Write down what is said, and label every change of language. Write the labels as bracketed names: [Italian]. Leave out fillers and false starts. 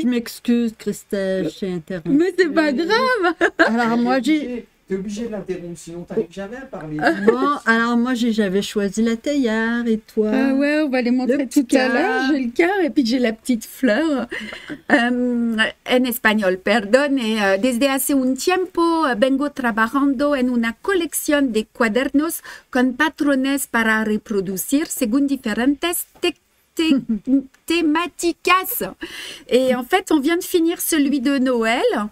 [French] Je m'excuse, Christelle, j'ai interrompu. Mais c'est pas grave. Alors moi, j'ai... T'es obligée de l'interrompre, sinon t'arrives jamais à parler. Bon, alors moi, j'avais choisi la théière, et toi? Ah ouais, on va les montrer le tout à l'heure. J'ai le cœur, et puis j'ai la petite fleur. En espagnol, [Spanish] perdón. Desde hace un tiempo vengo trabajando en una colección de cuadernos con patrones para reproducir según diferentes thématicas. [French] Et en fait, on vient de finir celui de Noël.